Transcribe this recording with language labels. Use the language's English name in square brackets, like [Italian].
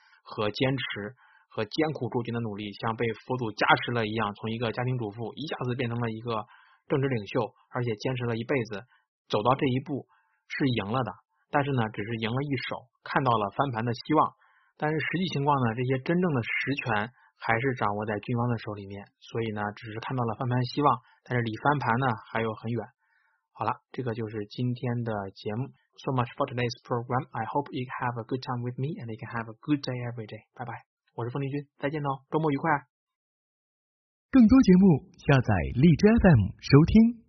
[Chinese] 和坚持和艰苦卓绝的努力，像被佛祖加持了一样，从一个家庭主妇一下子变成了一个政治领袖，而且坚持了一辈子，走到这一步是赢了的，但是呢只是赢了一手，看到了翻盘的希望，但是实际情况呢这些真正的实权还是掌握在军方的手里面，所以呢只是看到了翻盘希望，但是离翻盘呢还有很远。好了，这个就是今天的节目。 [English] So much for today's program. I hope you have a good time with me and you can have a good day every day. Bye bye. [Chinese] 我是凤丽君，再见喽，周末愉快。更多节目下载荔枝 FM 收听。